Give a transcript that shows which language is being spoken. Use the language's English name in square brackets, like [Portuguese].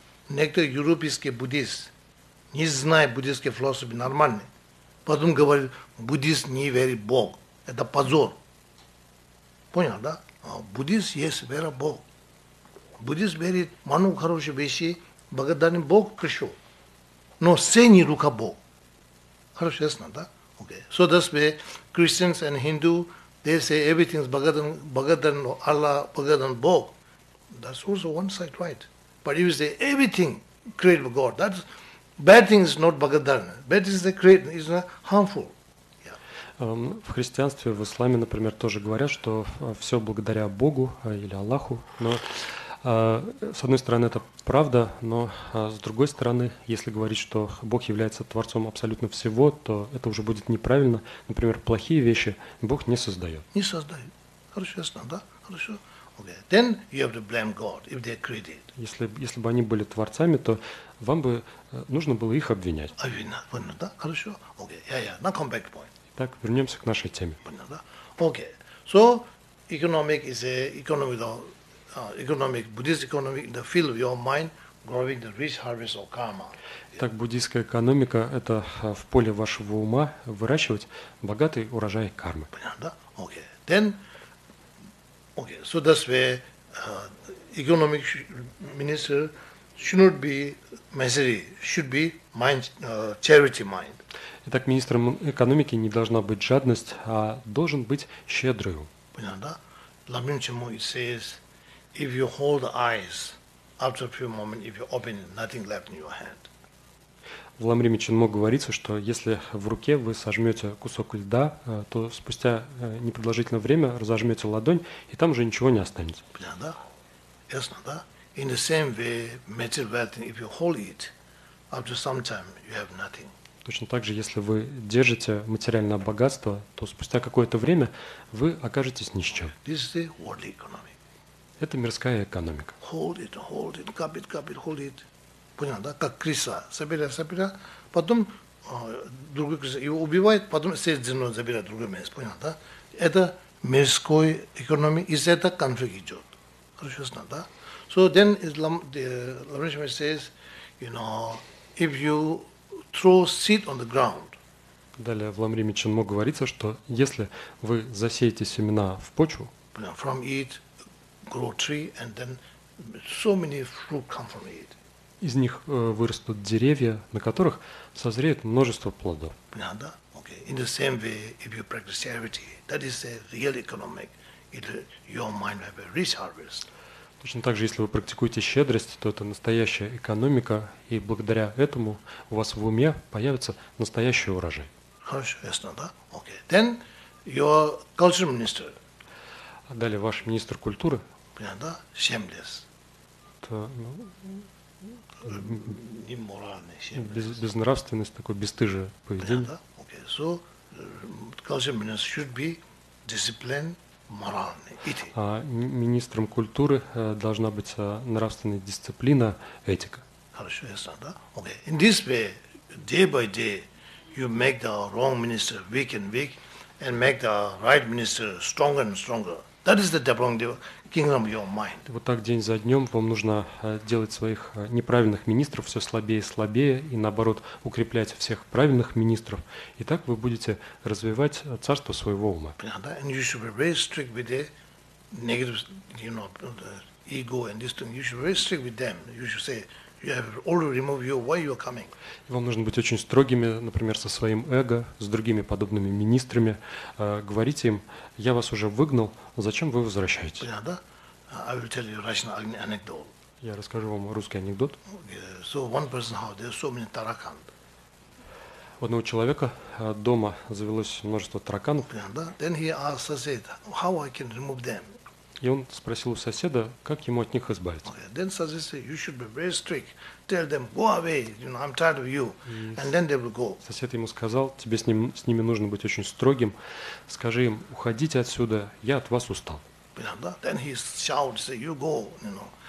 [Russian] Некоторые европейские буддисты, не зная буддийской философии, нормальные, потом говорят, буддист не верит в Бог. Это позор. Понял, да? А буддист есть вера в Бог. Буддист верит в ману хорошие вещи, благодарен Бог пришел. Но все не рука Бог. Хорошо, ясно, да? Okay. [English] So that's why Christians and Hindu, they say everything is bigger than Allah, bigger than Bog. That's also one side, right? But if you say everything created by God, that's bad thing is not bigger than. Bad thing is the creation, is not harmful. [Russian] В христианстве, в исламе, например, тоже говорят, что все благодаря Богу или Аллаху. Но с одной стороны, это правда, но с другой стороны, если говорить, что Бог является творцом абсолютно всего, то это уже будет неправильно. Например, плохие вещи Бог не создает. Не создает. Хорошо, ясно, да? Хорошо. Okay. [English] Then you have to blame God if they created. [Russian] Если бы они были творцами, то вам бы нужно было их обвинять. Обвинять, понял, да? Хорошо. [English] Okay. Yeah. Now come back to point. [Russian] Итак, вернемся к нашей теме. Понял, да? [English] Okay. So economic is a economic. Economic, Buddhist economic, the field of your mind, growing the rich harvest of karma. [Russian] Так буддийская экономика это в поле вашего ума выращивать богатый урожай кармы. Понятно, да? Okay. Then, okay. [English] So that's where economic minister should not be misery, should be mind charity mind. [Russian] Итак, министром экономики не должна быть жадность, а должен быть щедрый ум. Понятно, да? Ламин Чимо says. [English] If you hold the eyes, after a few moments, if you open it, nothing left in your hand. [Russian] В Ламриме Чинмо говорится, что если в руке вы сожмете кусок льда, то спустя непродолжительное время разожмете ладонь, и там уже ничего не останется. Понятно, да? Ясно, да? [English] In the same way, material wealth, if you hold it, after some time, you have nothing. [Russian] Точно так же, если вы держите материальное богатство, то спустя какое-то время вы окажетесь ни с чем. [English] This is the worldly economy. [Russian] Это мирская экономика. [English] Hold it, [Russian] копит, [English] hold it. [Russian] Понял, да? Как крыса. Собирает, потом другой крыса его убивает, потом сеет зерно, забирает другое место. Понял, да? Это мирской экономик, из этого конфликт идет. Хорошо, ясно, да? [English] So then, Lamrishma says, you know, if you throw seed on the ground, [Russian] далее в Ламриме Чинмо говорится, что если вы засеете семена в почву, понял, [English] from it, grow tree and then so many fruit come from it. [Russian] Из них вырастут деревья, на которых созреет множество плодов. Понятно, да? Okay. [English] In the same way, if you practice charity, that is a real economic, your mind will have a rich harvest. [Russian] Точно так же, если вы практикуете щедрость, то это настоящая экономика, и благодаря этому у вас в уме появится настоящий урожай. Хорошо, ясно, да? [English] Okay. Then your culture minister. [Russian] А далее ваш министр культуры. Понятно, да? Shameless. Это, ну, неморальный, shameless. Безнравственность, такое бесстыжие поведение. [English] Понятно, да? Okay. So, culture minister should be disciplined, моральный. [Russian] А министром культуры должна быть нравственная дисциплина, этика. [English] Хорошо, ясно, да? Okay. In this way, day by day, you make the wrong minister weak and weak, and make the right minister stronger and stronger. That is the developing the kingdom of your mind. [Russian] Вот так день за днем вам нужно делать своих неправильных министров все слабее и слабее, и наоборот укреплять всех правильных министров. И так вы будете развивать царство своего ума. [English] And you should be very strict with the negative, you know, the ego and this thing. You should be very strict with them. You should say, you have already removed your why you are coming. [Russian] Вам нужно быть очень строгими, например, со своим эго, с другими подобными министрами. Говорите им, я вас уже выгнал, зачем вы возвращаетесь? [English] Yeah, I will tell you Russian anecdote. [Russian] Я расскажу вам русский анекдот. [English] So one person how there are so many таракан. [Russian] У одного человека дома завелось множество тараканов. [English] Then he asked, said, how I can remove them? [Russian] И он спросил у соседа, как ему от них избавиться. [English] Okay. Then said, you should be very strict. Tell them, go away, you know, I'm tired of you. And then they will go. [Russian] Сосед ему сказал, тебе с ними нужно быть очень строгим. Скажи им, уходите отсюда, я от вас устал. [English] Then he shouted, say, you go, you know.